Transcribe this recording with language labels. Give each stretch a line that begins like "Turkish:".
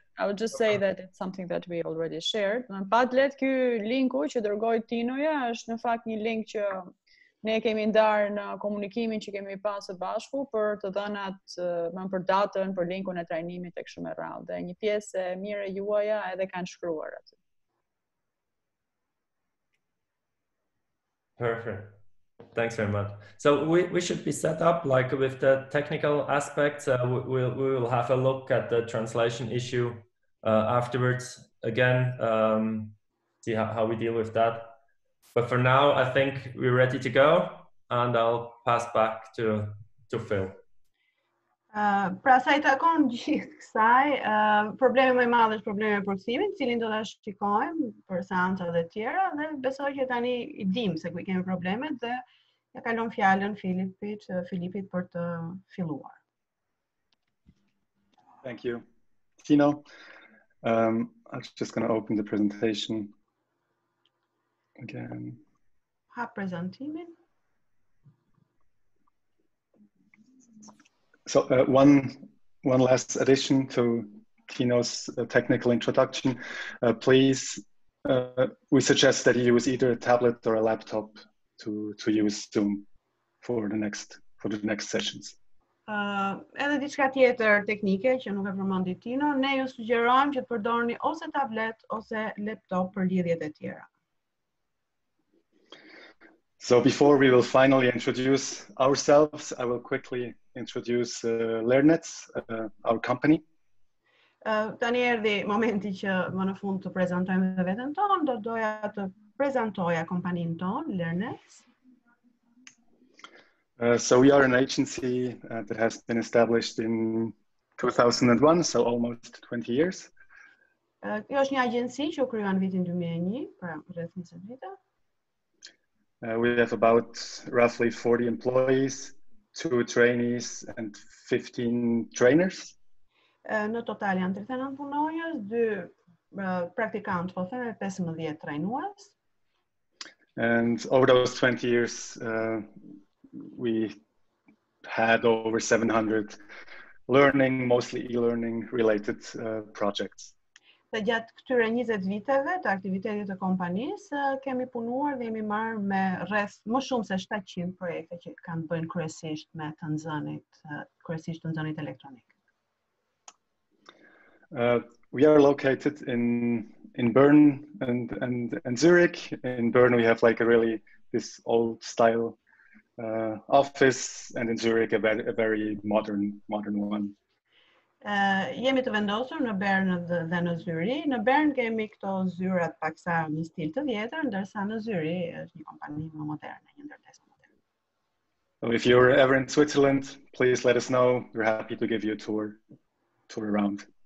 English: I would just say that it's something that we already shared.
Albanian: Në Padlet, ky linku që dërgoj Tinoja është në fakt një link që ne kemi ndarë në komunikimin që kemi pasë bashku për të dhënat, për datën, për linkun e trajnimit e kështu me radhë. Dhe një pjesë e mirë e juaja edhe kanë shkruar aty.
English: Perfect. Thanks very much. So we should be set up like with the technical aspects. We will have a look at the translation issue afterwards again, see how we deal with that. But for now, I think we're ready to go, and I'll pass back to Phil.
Albanian: Pra sa I takon gjithë kësaj, problemi më I madh është problemi I përkthimit, cilin do ta shikojmë për seanca dhe të tjera, dhe besoj që tani I dim se ku kemi problemet dhe ja kalon fjalën Filipit për të filluar.
English: Thank you. Tino, I'm just going to open the presentation again.
Albanian: Ha prezantimin.
English: So one last addition to Tino's technical introduction, please, we suggest that you use either a tablet or a laptop to use Zoom for the next sessions.
Albanian: Edhe diçka tjetër teknike që nuk e përmendi Tino, ne ju sugjerojmë që të përdorni ose tablet ose laptop për lidhjet e tjera.
English: So before we will finally introduce ourselves, I will quickly introduce LearnNets, our company.
Albanian: Tani erdhi momenti që më në fund të prezantojmë dhe veten tonë, do doja të prezantoja kompaninë tonë, LearnNets.
English: So we are an agency that has been established in 2001, so almost 20 years.
Albanian: Kjo është një agjenci që u krijuar në vitin 2001, pra rreth 20 vite.
English: We have about roughly 40 employees, 2 trainees and 15 trainers.
Albanian: Në total janë 39 punonjës, 2 praktikantë, po them 15 trajnues.
English: And over those 20 years we had over 700 learning, mostly e-learning related projects.
Albanian: Dhe gjatë këtyre 20 viteve të aktivitetit të kompanisë, kemi punuar dhe jemi marrë me rreth më shumë se 700 projekte që kanë bënë kryesisht me të nxënit, kryesisht të nxënit elektronik.
English: We are located in Bern and Zurich. In Bern we have like a really this old style office, and in Zurich a very modern one.
Albanian: Jemi të vendosur në Bern dhe në Zyri. Në Bern kemi këto zyrat paksa një stil të vjetër, ndërsa në Zyri është një kompani më moderne, një ndërtesë moderne.
English: So if you're ever in Switzerland, please let us know. We're happy to give you a tour around.